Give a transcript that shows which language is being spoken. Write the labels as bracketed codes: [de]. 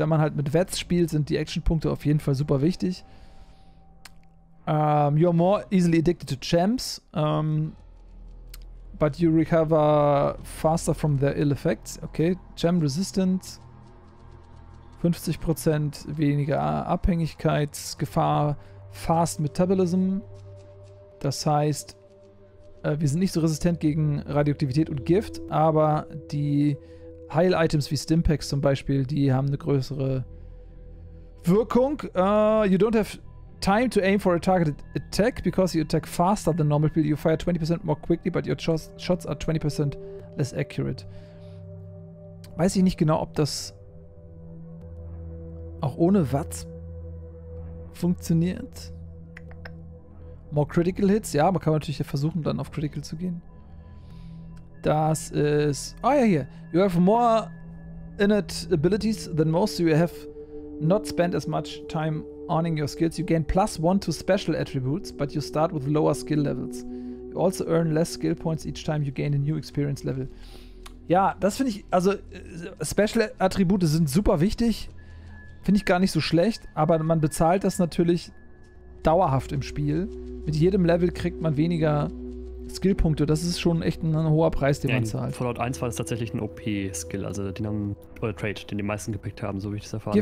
[de] Wenn man halt mit Vets spielt, sind die Actionpunkte auf jeden Fall super wichtig. [en] You're more easily addicted to champs, but you recover faster from their ill effects. [de] Okay, champ resistant, 50% weniger Abhängigkeitsgefahr, fast metabolism. Das heißt, wir sind nicht so resistent gegen Radioaktivität und Gift, aber die Heil-Items wie Stimpaks zum Beispiel, die haben eine größere Wirkung. [en] You don't have time to aim for a targeted attack because you attack faster than normal people. You fire 20% more quickly, but your shots are 20% less accurate. [de] Weiß ich nicht genau, ob das auch ohne Watts funktioniert. More Critical Hits, ja, man kann natürlich versuchen, dann auf Critical zu gehen. Das ist... Ah, oh ja, hier. [en] You have more innate abilities than most, so you have not spent as much time earning your skills. You gain plus one to special attributes, but you start with lower skill levels. You also earn less skill points each time you gain a new experience level. [de] Ja, das finde ich, also Special Attribute sind super wichtig. Finde ich gar nicht so schlecht, aber man bezahlt das natürlich dauerhaft im Spiel. Mit jedem Level kriegt man weniger Skillpunkte. Das ist schon echt ein hoher Preis, den man zahlt. Fallout 1 war das tatsächlich ein OP-Skill, also den haben, oder Trade, den die meisten gepickt haben, so wie ich das erfahren habe.